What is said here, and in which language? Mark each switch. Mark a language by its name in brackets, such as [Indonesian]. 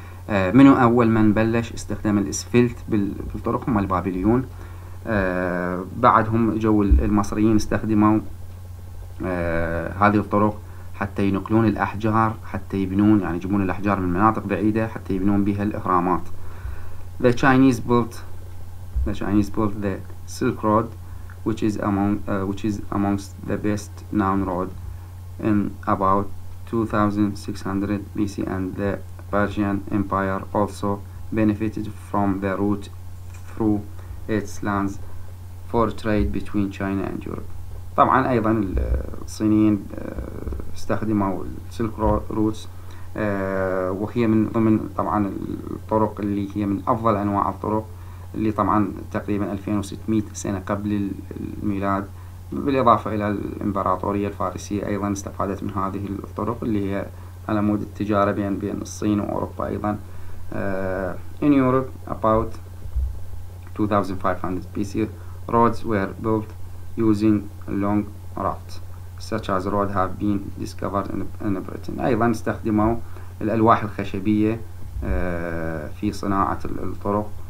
[Arabic] منو أول من بلش استخدام الإسفلت بالطرق؟ هم البابليون. بعدهم جو المصريين استخدموا هذه الطرق حتى ينقلون الأحجار، حتى يبنون، يعني يجيبون الأحجار من مناطق بعيدة حتى يبنون بها الأهرامات. [English] The Chinese built the Silk Road, which is amongst the best known road, in about 2600 BC, and the Persian Empire also benefited from the route through its lands for trade between China and Europe. [Arabic] طبعا ايضا الصينيين استخدموا السلك روتس، وهي من ضمن طبعا الطرق اللي هي من افضل انواع الطرق، اللي طبعا تقريبا 2600 سنة قبل الميلاد، بالاضافة الى الامبراطورية الفارسية ايضا استفادت من هذه الطرق اللي هي على مود التجارة بين الصين واوروبا ايضا. [English] In Europe about 2500 BC, roads were built using long rafts, such as roads have been discovered in Britain. [Arabic] أيضا استخدموا الألواح الخشبية في صناعة الطرق.